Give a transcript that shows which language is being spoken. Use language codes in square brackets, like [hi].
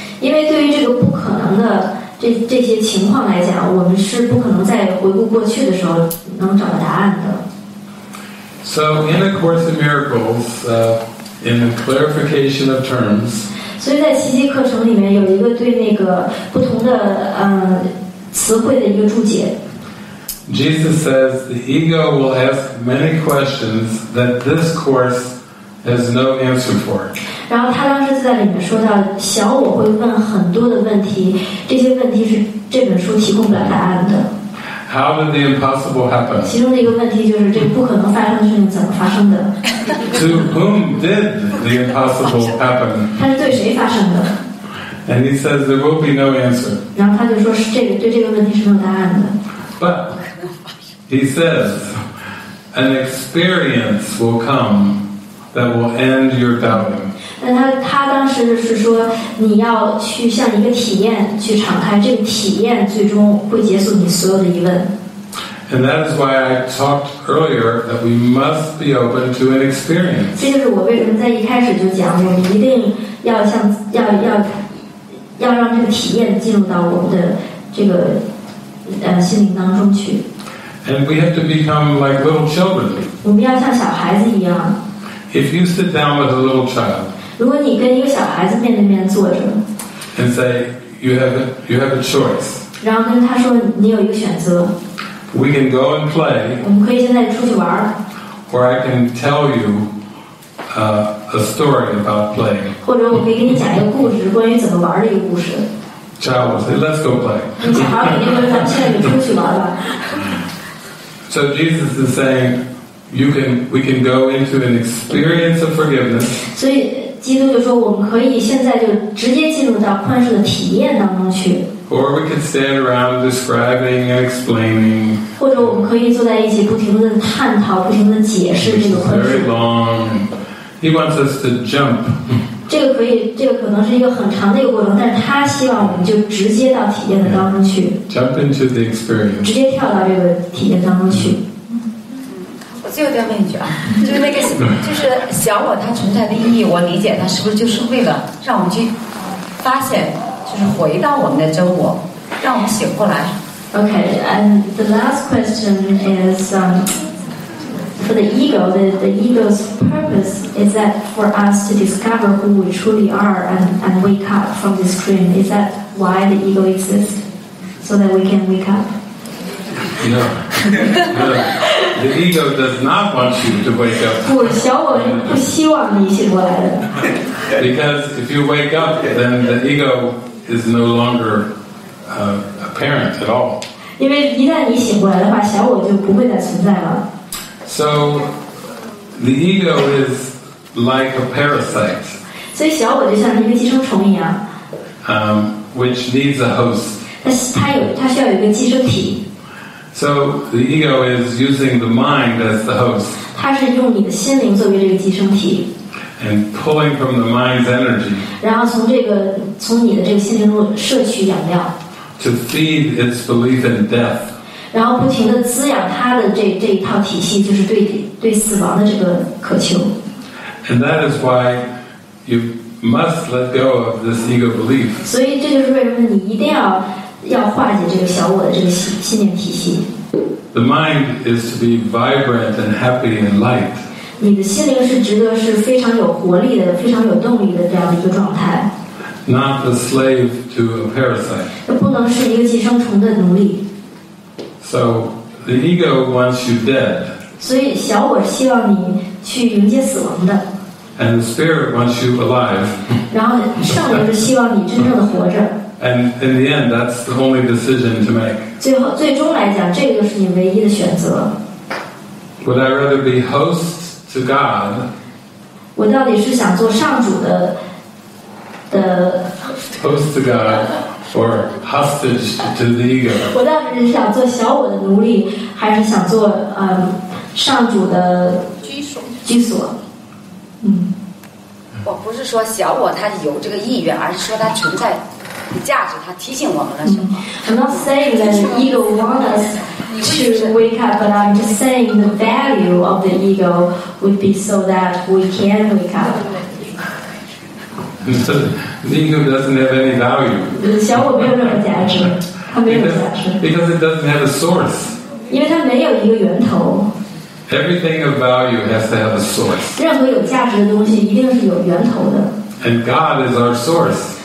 [zh] 因为对于这个不可能的这些情况来讲，我们是不可能在回顾过去的时候能找到答案的。 [en] So in A Course in Miracles, in the clarification of terms. [zh] 所以在奇迹课程里面有一个对那个不同的词汇的一个注解。 [en] Jesus says the ego will ask many questions that this course has no answer for. [zh] 然后他当时在里面说到，小我会问很多的问题，这些问题是这本书提供不了答案的。 [en] How did the impossible happen? [zh] 其中的一个问题就是这不可能发生的事情怎么发生的。 [en] To whom did the impossible happen? [zh] 它是对谁发生的？ [en] And he says there will be no answer. [zh] 然后他就说是这个对这个问题是没有答案的。 [en] But he says an experience will come that will end your doubting. [zh] 但他当时是说你要去向一个体验去敞开，这个体验最终会结束你所有的疑问。 [en] And that is why I talked earlier that we must be open to an experience. [zh] 这就是我为什么在一开始就讲，我们一定要向要让这个体验进入到我们的这个心灵当中去。 [en] And we have to become like little children. [zh] 我们要像小孩子一样。 [en] If you sit down with a little child. [zh] 如果你跟一个小孩子面对面坐着。 [en] And say you have a choice. [zh] 然后跟他说你有一个选择。 [en] We can go and play. [zh] 我们可以现在出去玩。 [en] Or I can tell you a story about playing. [zh] 或者我可以给你讲一个故事，关于怎么玩的一个故事。 [en] Child will say, "Let's go play." [zh] 你小孩肯定会说，现在就出去玩吧。 [en] So Jesus is saying, we can go into an experience of forgiveness. [zh] 所以基督就说，我们可以现在就直接进入到宽恕的体验当中去。 [en] Or we could stand around describing and explaining. [zh] 或者我们可以坐在一起，不停的探讨，不停的解释这个宽恕。 [en] Very long. He wants us to jump. [zh] 这个可以，这个可能是一个很长的一个过程，但是他希望我们就直接到体验的当中去。 [en] Jump into the experience. [zh] 直接跳到这个体验当中去。我最后再问一句啊，就是那个，就是小我它存在的意义，我理解它是不是就是为了让我们去发现。 [en] Okay, and the last question is for the ego, the ego's purpose is that for us to discover who we truly are and wake up from this dream. Is that why the ego exists? So that we can wake up? No. The ego does not want you to wake up. [zh] 不，小我不希望你醒过来的。 [en] Because if you wake up, then the ego is no longer apparent at all. [zh] 因为一旦你醒过来的话，小我就不会再存在了。 [en] So the ego is like a parasite. [zh] 所以小我就像一个寄生虫一样。 [en] Which needs a host. [zh] 它需要有一个寄生体。 [en] So the ego is using the mind as the host. [zh] 它是用你的心灵作为这个寄生体。 [en] And pulling from the mind's energy. [zh] 然后从你的这个心灵中摄取养料。 [en] To feed its belief in death. [zh] 然后不停地滋养它的这一套体系，就是对死亡的这个渴求。 [en] And that is why you must let go of this ego belief. [zh] 所以这就是为什么你一定要化解这个小我的这个信念体系。 [en] The mind is to be vibrant and happy and light. [zh] 你的心灵是值得是非常有活力的非常有动力的这样的一个状态 [en] Not a slave to a parasite [zh] 不能是一个寄生虫的奴隶 [en] So the ego wants you dead [zh] 所以小我希望你去迎接死亡的 [en] And the spirit wants you alive [zh] 然后圣灵是希望你真正的活着 [en] And in the end that's the only decision to make [zh] 最终来讲这个就是你唯一的选择 [en] Would I rather be host? To God, [zh] 我到底是想做上主的 [en] host to God or hostage to the ego? [zh] 我到底是想做小我的奴隶，还是想做上主的居所？我不是说小我他有这个意愿，而是说他存在的价值，他提醒我们了什么。 [en] I'm not saying that the ego wants us. To wake up, but I'm just saying the value of the ego would be so that we can wake up. The ego doesn't have any value. [zh] 小我没有任何价值，它没有价值。 [en] Because it doesn't have a source. [zh] 因为它没有一个源头。 [en] Everything of value has to have a source. [zh] 任何有价值的东西一定是有源头的。 [en] And God is our source.